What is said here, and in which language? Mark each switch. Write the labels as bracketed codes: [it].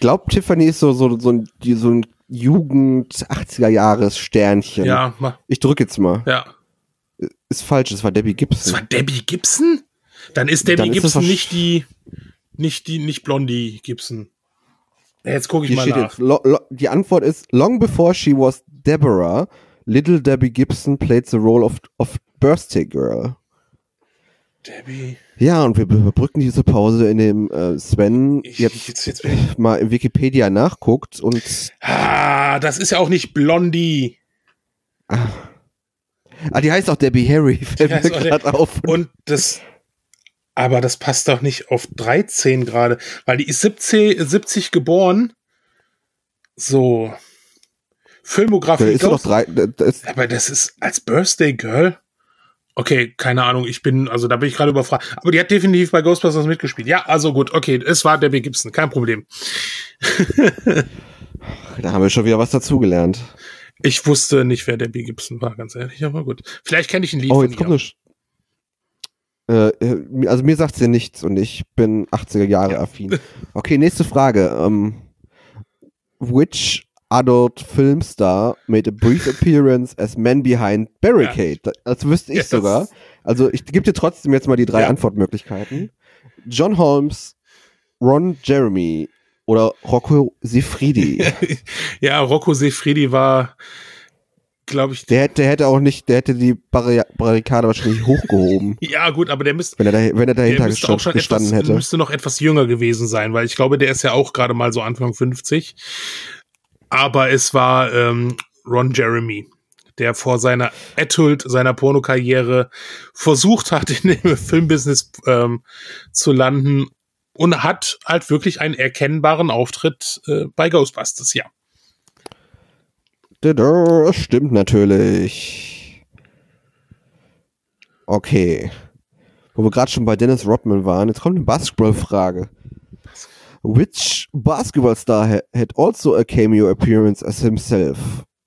[de] glaube, Tiffany ist so ein Jugend-80er-Jahres-Sternchen. Ja, ich drücke jetzt mal. Ja. Ist falsch, es war Debbie Gibson. Es war Debbie Gibson? Dann ist Debbie Dann Gibson ist nicht die... Nicht die, nicht Blondie Gibson. Jetzt gucke ich hier mal nach. Die Antwort ist, [en] long before she was Deborah, little Debbie Gibson played the role of Birthday Girl. [de] Debbie. Ja, und wir überbrücken diese Pause, in dem Sven jetzt mal in Wikipedia nachguckt und. Das ist ja auch nicht Blondie. Die heißt auch Debbie Harry, fällt mir gerade auf. Und das. Aber das passt doch nicht auf 13 gerade, weil die ist 70 geboren. So. Filmografie. Ist doch drei, das aber das ist als Birthday Girl. Okay, keine Ahnung. Da bin ich gerade überfragt. Aber die hat definitiv bei Ghostbusters mitgespielt. Ja, also gut. Okay, es war Debbie Gibson. Kein Problem. Da haben wir schon wieder was dazugelernt. Ich wusste nicht, wer Debbie Gibson war, ganz ehrlich. Aber gut. Vielleicht kenne ich ein Lied. Oh, jetzt kommt eine. Also mir sagt sie nichts und ich bin 80er Jahre affin. Okay, nächste Frage. [en] Which adult filmstar made a brief appearance as Man Behind Barricade? [de] Ja. Das wüsste ich sogar. Also ich gebe dir trotzdem jetzt mal die drei Antwortmöglichkeiten. John Holmes, Ron Jeremy oder Rocco Siffredi. Ja, Rocco Siffredi war... glaube ich. Der hätte die Barrikade wahrscheinlich hochgehoben. Ja, gut, aber der müsste. Wenn er dahinter gestanden hätte. Der müsste noch etwas jünger gewesen sein, weil ich glaube, der ist ja auch gerade mal so Anfang 50. Aber es war Ron Jeremy, der vor seiner Pornokarriere versucht hat, in dem Filmbusiness zu landen und hat halt wirklich einen erkennbaren Auftritt bei Ghostbusters, ja. Das stimmt natürlich. Okay. Wo wir gerade schon bei Dennis Rodman waren, jetzt kommt eine Basketball-Frage. [en] Which Basketball-Star had also a cameo appearance as himself?